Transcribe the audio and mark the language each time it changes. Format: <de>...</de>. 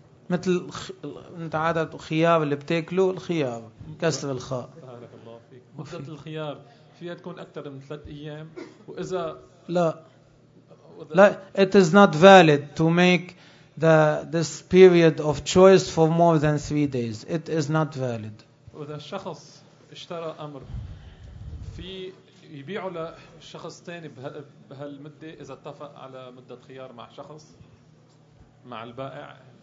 <ar>مثل انت عادة خيار اللي بتاكله الخيار كسر الخاء. بارك الله فيك. مدة الخيار فيها تكون أكثر من 3 أيام وإذا لا لا</ar> <en>it is not valid to make this period of choice for more than 3 days. It is not valid.</en> <ar>وإذا الشخص اشترى أمر في يبيعه لشخص تاني بهالمدة إذا اتفق على مدة خيار مع شخص مع البائع</ar>